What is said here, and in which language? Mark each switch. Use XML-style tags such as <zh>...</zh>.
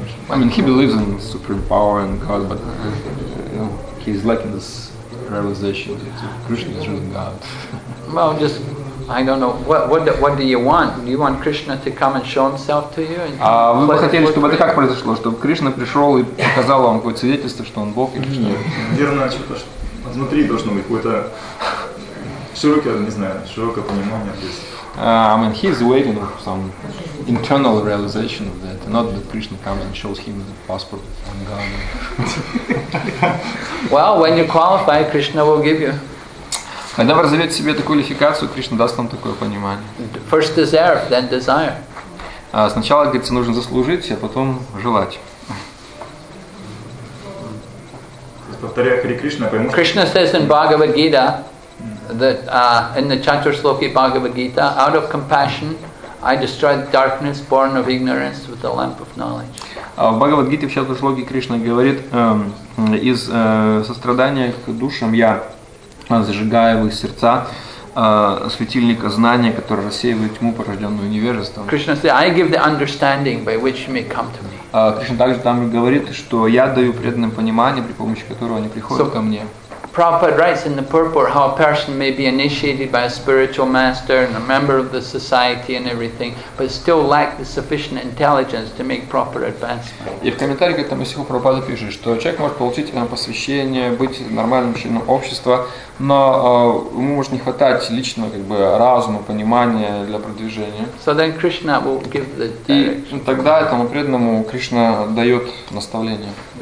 <en>I mean, he believes in supreme power and God, but you know. He's lacking this realization that Krishna is really God. Well, just, I don't know, what do you want? Do you want Krishna to come and show himself to you?</en> <ru>Вы бы хотели, чтобы это как произошло? Чтобы Кришна пришел и показал вам какое-то свидетельство, что он Бог? Нет, наверное, что-то, что внутри должно быть какое-то широкое понимание.</ru> <en>I mean, he's waiting for some internal realization of that, not that Krishna comes and shows him the passport from God. Well, when you qualify, Krishna will give you.</en> <ru>Когда вы разовьете себе эту квалификацию, Кришна даст вам такое понимание.</ru> <en>First deserve, then desire.</en> <ru>Сначала, говорится, нужно заслужить, а потом желать. Повторяю, Хари Кришна, пойму.</ru> <en>Krishna says in Bhagavad Gita, that in the Chaturshloki Bhagavad Gita, out of compassion, I destroyed darkness born of ignorance with the lamp of knowledge.</en> <ru>В Бхагавад Гите, в Чатуршлоке, Кришна говорит, из сострадания к душам я зажигаю в их сердца светильник знания, который рассеивает тьму, порожденную невежеством.</ru> <en>Krishna says, I give the understanding by which you may come to me.</en> <ru>Кришна также там говорит, что я даю преданным понимание, при помощи которого они приходят ко мне.</ru> <en>Prabhupada writes in the purport how a person may be initiated by a spiritual master and a member of the society and everything, but still lack the sufficient intelligence to make proper advancement.</en> <ru>И в комментарии к этому стиху Прабхупада пишет, что человек может получить посвящение, быть нормальным членом общества, но ему может не хватать личного разума, понимания для продвижения.</ru> <en>So then Krishna will give the direction.</en> <ru>И тогда этому преданному Кришна дает наставление.</ru>